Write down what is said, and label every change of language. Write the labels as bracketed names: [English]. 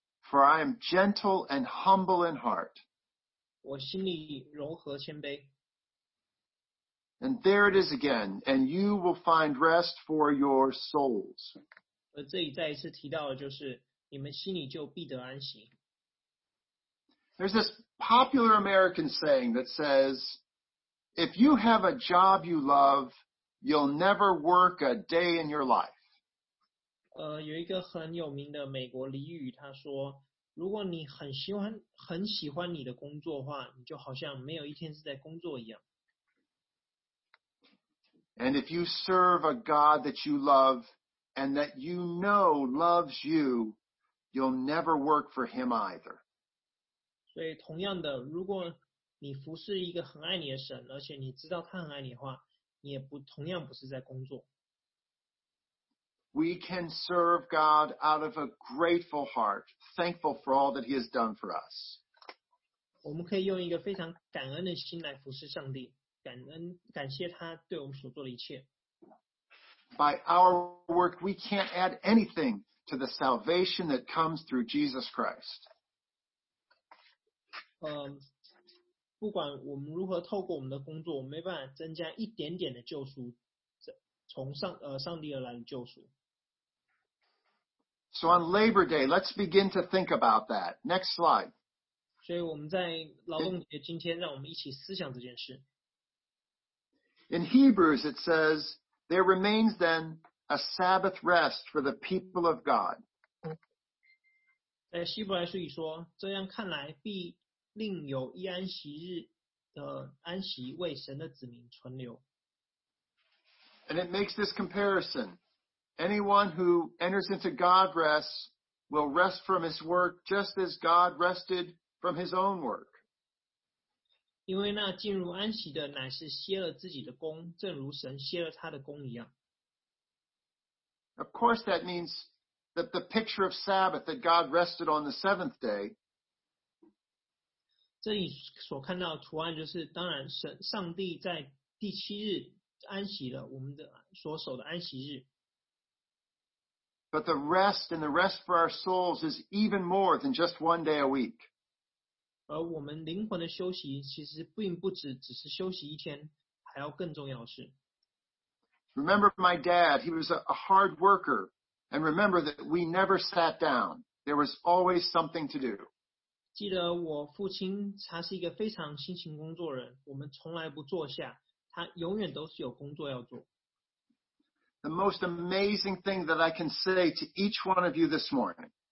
[English] For I am gentle and humble in heart. [Chinese] 我心里柔和谦卑。 [English] And there it is again, and you will find rest for your souls. [Chinese] 而这里再一次提到的就是你们心里就必得安息。 [English] There's this popular American saying that says, if you have a job you love, you'll never work a day in your life. [Chinese] 有一个很有名的美国俚语，他说，如果你很喜欢你的工作的话，你就好像没有一天是在工作一样。 [English] And if you serve a God that you love and that you know loves you, you'll never work for him either. [Chinese] 所以同样的，如果你服侍一个很爱你的神，而且你知道他很爱你的话，你也不同样不是在工作。 [English] We can serve God out of a grateful heart, thankful for all that He has done for us. [Chinese] 我们可以用一个非常感恩的心来服侍上帝，感恩感谢他对我们所做的一切。 [English] By our work, we can't add anything to the salvation that comes through Jesus Christ. [Chinese] 不管我们如何透过我们的工作，我们没办法增加一点点的救赎，从上帝而来的救赎。 [English] So on Labor Day, let's begin to think about that. Next slide. [Chinese] 所以我们在劳动节今天，让我们一起思想这件事。 [English] In Hebrews, it says, there remains then a Sabbath rest for the people of God. [Chinese] 在希伯来书里说，这样看来必另有一安息日的安息为神的子民存留。 [English] And it makes this comparison. Anyone who enters into God's rest will rest from his work just as God rested from his own work. [Chinese] 因为那进入安息的乃是歇了自己的工，正如神歇了他的工一样。 [English] Of course, that means that the picture of Sabbath that God rested on the seventh day. [Chinese] 这里所看到的图案就是，当然神上帝在第七日安息了，我们的所守的安息日。 [English] But the rest and the rest for our souls is even more than just one day a week. [Chinese] 而我们灵魂的休息其实并不只是休息一天，还要更重要的是。 [English] Remember my dad, he was a hard worker. And remember that we never sat down. There was always something to do. [Chinese] 记得我父亲他是一个非常辛勤工作人，我们从来不坐下，他永远都是有工作要做。 [English] The most amazing thing that I can say to each one of you this morning.